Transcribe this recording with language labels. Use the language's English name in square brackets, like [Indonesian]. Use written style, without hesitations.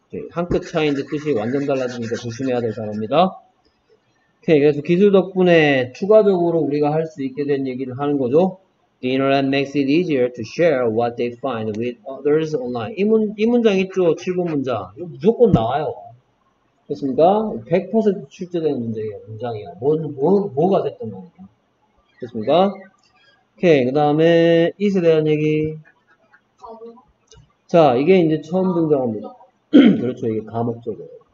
[Korean] 한 끗 차이인데 뜻이 완전 달라지니까 조심해야 될 사람입니다. 오케이, 그래서 기술 덕분에 추가적으로 우리가 할 수 있게 된 얘기를 하는 거죠. [English] The internet makes it easier to share what they find with others online. [Korean] 이 문장 있죠? 7번 문장. 이거 무조건 나와요. 됐습니까? 100% 출제되는 문제예요, 문장이야. 뭐가 됐던 거 아니야. 됐습니까? 오케이, 그 다음에, 이에 대한 얘기. 자, 이게 이제 처음 등장합니다. 그렇죠, 이게 감옥적이에요.